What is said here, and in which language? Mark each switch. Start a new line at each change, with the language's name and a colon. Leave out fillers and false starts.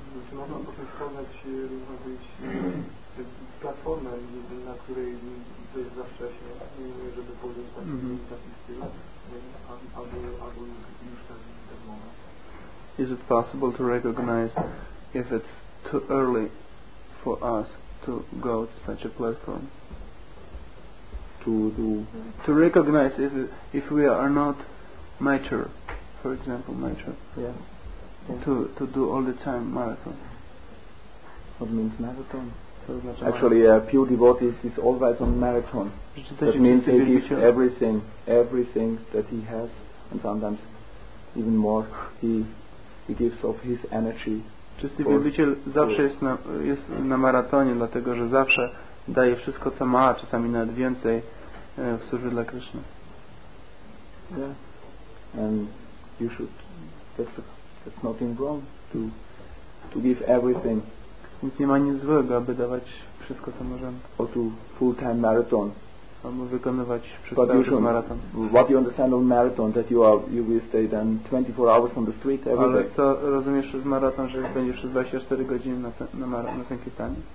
Polish: czy można potem wspomnieć, można być platformę, na której to jest za wcześnie, żeby podjąć taki, taki styl, albo już ten, ten moment.
English: Is it possible to recognize if it's too early for us to go to such a platform? To do. To recognize if we are not mature, for example, mature. Yeah. To do all the time marathon. What means marathon? Actually, pure devotee is always on marathon. That means he gives everything, everything that he has, and sometimes even more. He gives of his energy.
Polish: Czysty wielbiciel zawsze jest na maratonie, dlatego że zawsze daje wszystko, co ma, czasami nawet więcej w służbie dla Kryszny.
English: Yeah. And you should. That's nothing wrong to give everything.
Polish: Więc nie ma nic złego, aby dawać wszystko, co możemy.
English: Or to full time marathon.
Polish: Albo wykonywać przez cały ten maraton.
English: What you understand on marathon, that you will stay then 24 hours on the street every
Polish: ale
English: day.
Polish: Ale co rozumiesz przez maraton, że będziesz przez 24 godziny na ten kitanie?